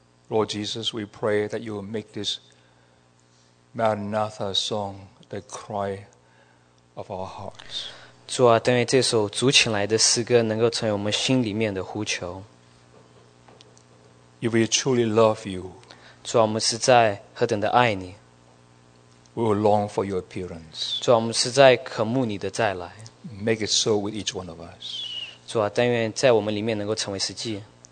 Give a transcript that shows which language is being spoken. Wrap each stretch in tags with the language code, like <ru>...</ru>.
<en>Lord Jesus, we pray that you will make this Maranatha song the cry of our hearts.</en> <zh>主啊，但愿这首主请来的诗歌能够成为我们心里面的呼求。</zh> <en>If we truly love you,</en> <zh>主啊，我们实在何等的爱你。</zh> <en>We will long for your appearance.</en> <zh>主啊，我们实在渴慕你的再来。</zh> <en>Make it so with each one of us.</en> <zh>主啊，但愿在我们里面能够成为实际。</zh>